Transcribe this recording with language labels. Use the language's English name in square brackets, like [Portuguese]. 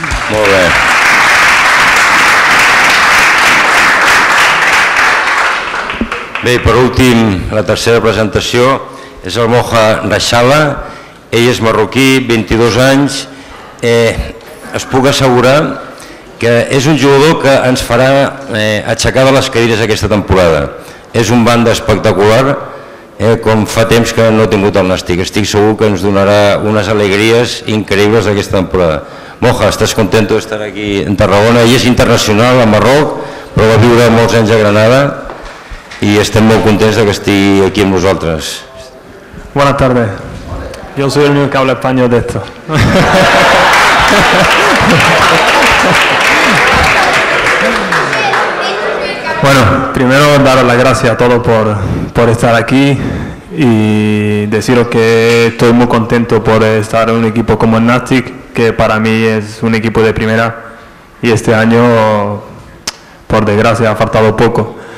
[Spanish] Muy bien. Bé, por último, la tercera presentación es el Moja Rashala. Ella es marroquí, 22 años. [Catalan] os puc assegurar que és un jugador que ens farà aixecar de les cadires aquesta temporada. És un banda espectacular, com fa temps que no ha tingut el Nàstic. Estic segur que ens donarà unes alegries increïbles d'aquesta temporada. Moja, estàs content d'estar aquí en Tarragona? Ell és internacional a Marroc, però va viure molts anys a Granada i estem molt contents que estigui aquí amb vosaltres. Bona tarda. [Spanish] Yo soy el único que habla español de esto. Bueno, primero daros las gracias a todos por estar aquí y deciros que estoy muy contento por estar en un equipo como el Nastic, que para mí es un equipo de primera y este año, por desgracia, ha faltado poco.